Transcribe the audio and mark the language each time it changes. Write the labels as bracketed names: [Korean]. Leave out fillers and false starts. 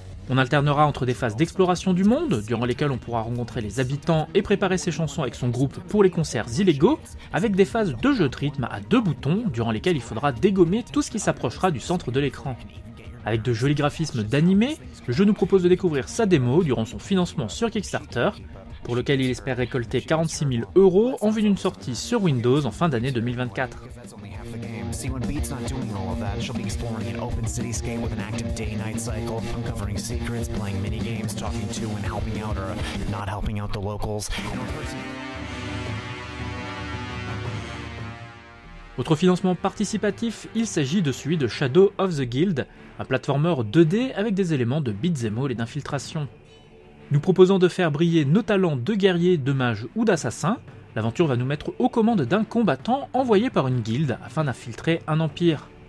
[French] On alternera entre des phases d'exploration du monde, durant lesquelles on pourra rencontrer les habitants et préparer ses chansons avec son groupe pour les concerts illégaux, avec des phases de jeu de rythme à deux boutons, durant lesquelles il faudra dégommer tout ce qui s'approchera du centre de l'écran. Avec de jolis graphismes d'animé, le jeu nous propose de découvrir sa démo durant son financement sur Kickstarter, pour lequel il espère récolter 46 000 euros en vue d'une sortie sur Windows en fin d'année 2024. [English] See when Beat's not doing all of that, she'll be exploring an open cityscape with an active day-night cycle, uncovering secrets, playing mini-games, talking to and helping out or not helping out the locals. [French] Autre financement participatif, il s'agit de celui de Shadow of the Guild, un platformer 2D avec des éléments de beat'em all et d'infiltration. Nous proposons de faire briller nos talents de guerrier, de mage ou d'assassin. L'aventure va nous mettre aux commandes d'un combattant envoyé par une guilde afin d'infiltrer un empire.